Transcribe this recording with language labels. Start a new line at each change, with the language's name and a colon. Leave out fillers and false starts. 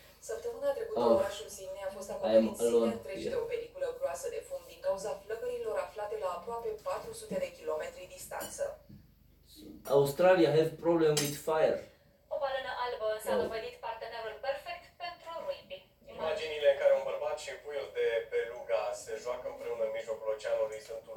Romanian: Săptămâna trecută, orașul Sydney a fost acoperit zile întregi de o peliculă groasă de fum din cauza flăcărilor aflate la aproape 400 de kilometri distanță.
English: Australia have problem with fire.
Romanian: O balenă albă s-a dovedit partenerul perfect pentru rugby. Imaginile în care un bărbat și puiul de beluga se joacă împreună în mijlocul oceanului sunt un...